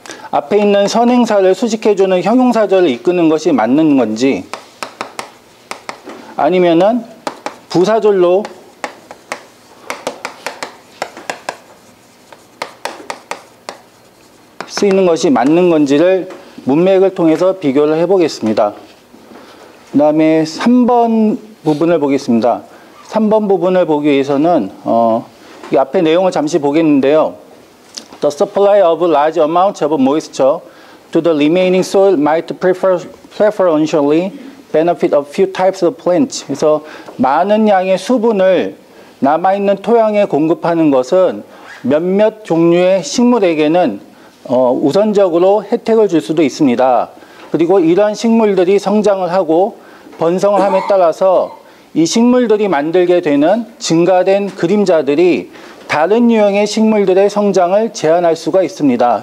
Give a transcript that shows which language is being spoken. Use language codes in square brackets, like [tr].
[ko] 앞에 있는 선행사를 수식해주는 형용사절을 이끄는 것이 맞는 건지 아니면은 부사절로 쓰이는 것이 맞는 건지를 문맥을 통해서 비교를 해보겠습니다. 그 다음에 3번 부분을 보겠습니다. 3번 부분을 보기 위해서는 이 앞에 내용을 잠시 보겠는데요. [en] The supply of large amount of moisture to the remaining soil might preferentially benefit a few types of plants. [ko] 그래서 많은 양의 수분을 남아있는 토양에 공급하는 것은 몇몇 종류의 식물에게는 우선적으로 혜택을 줄 수도 있습니다. 그리고 이러한 식물들이 성장을 하고 번성을 함에 따라서 이 식물들이 만들게 되는 증가된 그림자들이 다른 유형의 식물들의 성장을 제한할 수가 있습니다.